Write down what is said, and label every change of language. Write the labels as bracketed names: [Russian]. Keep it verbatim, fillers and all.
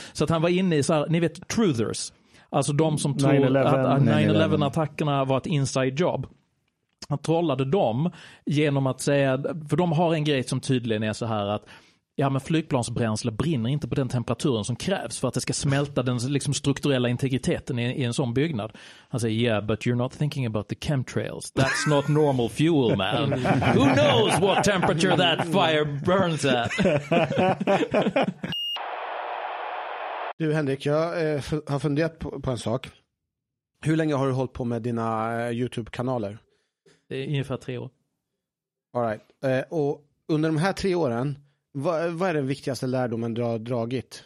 [Swedish] Så att han var inne i så här, ni vet, truthers. Alltså de som tror nio elva. Att nio elva-attackerna var ett inside job. Han trollade dem genom att säga, för de har en grej som tydligen är så här att ja, men flygplansbränsle brinner inte på den temperaturen som krävs för att det ska smälta den liksom strukturella integriteten i, i en sån byggnad. Han säger, [English] yeah, but you're not thinking about the chemtrails. That's not normal fuel, man. Who knows what temperature that fire burns at? [Swedish] Du, Henrik, jag eh, f- har funderat på, på en sak. Hur länge har du hållit på med dina eh, YouTube-kanaler? Det är ungefär tre år. [English] All right. [Swedish] Eh, och under de här tre åren, Vad, vad är den viktigaste lärdomen du har dragit?